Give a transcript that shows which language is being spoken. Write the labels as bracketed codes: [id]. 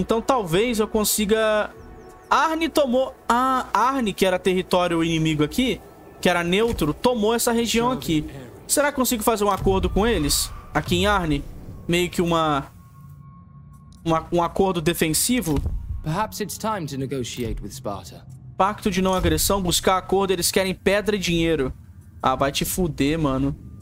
[pt] Então, talvez eu consiga... Arne tomou... Ah, Arne, que era território inimigo aqui, que era neutro, tomou essa região aqui. Será que consigo fazer um acordo com eles? Aqui em Arne? Meio que um acordo defensivo? [en] Perhaps it's time to negotiate with Sparta. [pt] Pacto de não agressão, buscar acordo, eles querem pedra e dinheiro. Ah, vai te fuder, mano.